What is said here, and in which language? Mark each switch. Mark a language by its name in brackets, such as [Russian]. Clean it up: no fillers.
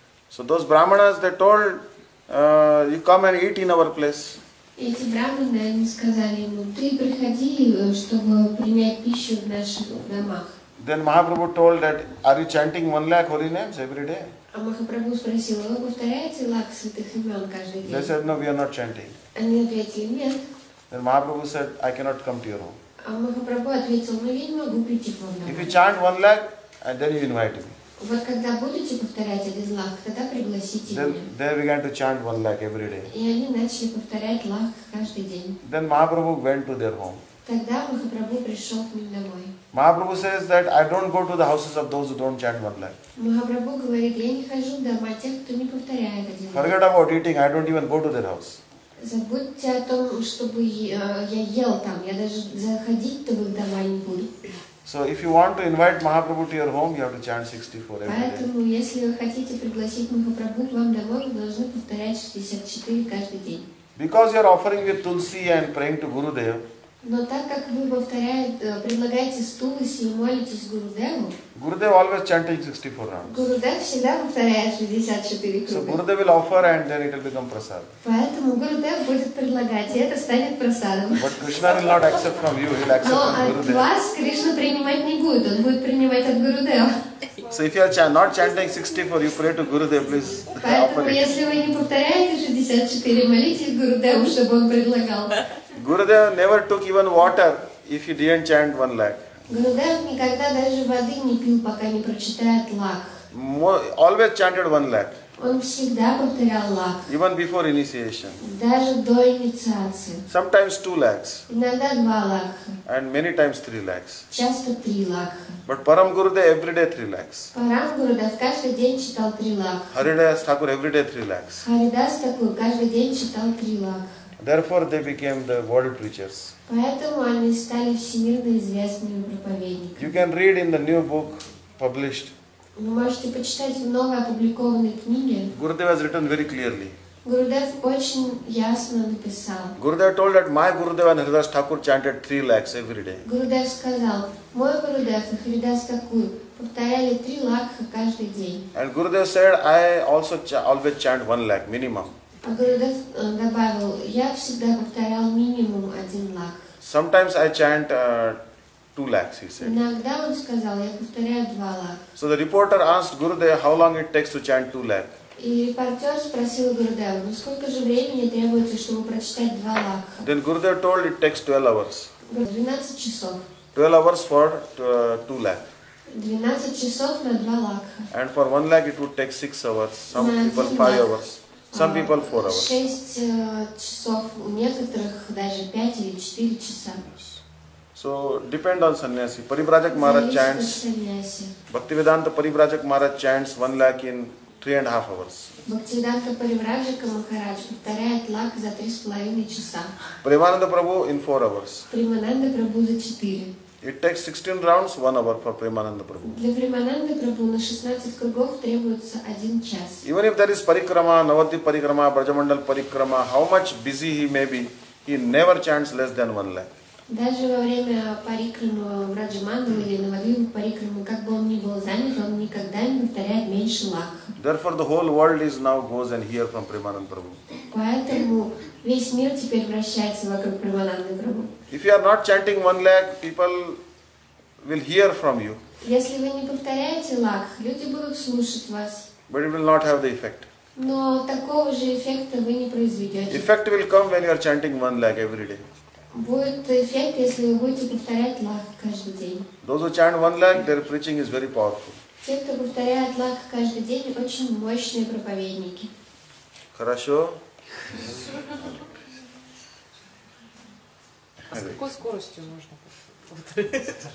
[English] So those Brahmanas, they told, you come and eat in our place. [Russian] Эти брахманы, они сказали ему, ты приходи, чтобы принять пищу в наших домах. [English] Then Mahaprabhu told that, are you chanting 1 lakh holy names every day? [Russian] А Махапрабху спросил, вы повторяете лак святых имен каждый день? [English] They said, no, we are not chanting. [Russian] Они ответили, нет. [English] Then Mahaprabhu said, I cannot come to your home. [Russian] А Махапрабху ответил, но я не могу прийти к вам. [English] If you chant 1 lakh, then you invite me. [Russian] Вот когда будете повторять этот лах, тогда пригласите меня. [English] They began to chant 1 lakh every day. [Russian] И они начали повторять лах каждый день. [English] Then Mahaprabhu went to their home. [Russian] Тогда Махапрабху пришел к ним домой. [English] Mahaprabhu says that I don't go to the houses of those who don't chant 1 lakh. [Russian] Махапрабху говорит, я не хожу в дома тех, кто не повторяет этот лах. [English] Forget about eating, I don't even go to their house. [Russian] Забудьте о том, чтобы я ел там, я даже заходить-то в их дома не буду. [English] So if you want to invite Mahaprabhu to your home, you have to chant 64 every day. [Russian] Поэтому, если вы хотите пригласить Махапрабху к вам домой, вы должны повторять 64 каждый день. [English] Because you are offering with Tulsi and praying to Gurudev. [Russian] Но так как вы предлагаете с Тулси и молитесь Гурудеву. [English] Gurudev always chanting 64 rounds. [Russian] Гурудев всегда повторяет 64 круга. [English] So Gurudev will offer and then it will become prasad. [Russian] Поэтому Гурудев будет предлагать, и это станет прасадом. [English] But Krishna will not accept from you, he'll accept from Gurudev. [Russian] Но от вас Кришна принимать не будет, он будет принимать от Гурудева. [English] So if you are not chanting 64, you pray to Gurudev, please. [Russian] Поэтому если вы не повторяете 64, молитесь Гурудеву, чтобы он предлагал. [English] Gurudev never took even water if he didn't chant 1 lakh. [Russian] Gurudev никогда даже воды не пил, пока не прочитает лах. [English] Always chanted 1 lakh. [Russian] Он всегда повторял лах. [English] Even before initiation. [Russian] Даже до инициации. [English] Sometimes 2 lakhs. [Russian] Иногда 2 lakhs. [English] And many times 3 lakhs. [Russian] Часто 3 lakhs. [English] But Param Gurudev every day 3 lakhs. [Russian] Param Gurudev каждый день читал 3 lakhs. [English] Haridas Thakur every day 3 lakhs. [Russian] Haridas Thakur каждый день читал 3 lakhs. [English] Therefore they became the world preachers. [Russian] Поэтому они стали всемирно известными проповедниками. [English] You can read in the new book published. [Russian] Вы можете почитать в новой опубликованной книге. [English] Gurudev has written very clearly. [Russian] Gurudev очень ясно написал. [English] Gurudev told that my Gurudev and Haridas Thakur chanted 3 lakhs every day. [Russian] Gurudev сказал, мой Gurudev и Haridas Thakur повторяли 3 lakhs каждый день. [English] And Gurudev said, I also always chant 1 lakh minimum. [Russian] А Гурудев добавил, я всегда повторял минимум 1 лакх. [English] Sometimes I chant 2 lakhs, he said. [Russian] Иногда он сказал, я повторяю 2 лакх. [English] So the reporter asked Gurudev, how long it takes to chant 2 lakh? [Russian] И репортер спросил Гурудева, ну сколько же времени требуется, чтобы прочитать 2 лакх? [English] Then Gurudev told it takes 12 hours. [Russian] 12 часов. [English] 12 hours for 2 lakh. [Russian] 12 часов на 2 лакх. [English] And for 1 lakh it would take 6 hours, some people 5 hours. Some people 4 hours. [Russian] 6 часов, у некоторых даже 5 или 4 часа. [English] So depend on sannyasi. Paribrajak Maharaj chants. Bhaktivedanta Paribrajak Maharaj chants 1 lakh in 3.5 hours. [Russian] Bhaktivedanta Paribrajak Maharaj повторяет лак за 3.5 часа. [English] Premananda Prabhu in 4 hours. [Russian] Premananda Prabhu за 4. [English] It takes 16 rounds, 1 hour for Premananda Prabhu. [Russian] Для Premananda Prabhu на 16 кругов требуется 1 час. [English] Even if there is parikrama, Navadvip parikrama, Brajamandal parikrama, how much busy he may be, he never chants less than 1 lakh. [Russian] Даже во время парикрамы Брадж-мандалы или Навадвипа парикрамы, как бы он ни был занят, он никогда не повторяет меньше лакх. [English] Therefore, the whole world is now goes and hears from Premananda Prabhu. [Russian] Поэтому весь мир теперь вращается вокруг Премананды Прабху. [English] If you are not chanting 1 lakh, people will hear from you. [Russian] Если вы не повторяете лакх, люди будут слушать вас. [English] But it will not have the effect. [Russian] Но такого же эффекта вы не произведете. [English] Effect will come when you are chanting 1 lakh every day. [Russian] Будет эффект, если вы будете повторять лах каждый день. [English] Those who chant 1 lakh, their preaching is very powerful. [Russian] Те, кто повторяет лах каждый день, очень мощные проповедники. Хорошо. А с какой скоростью нужно повторять?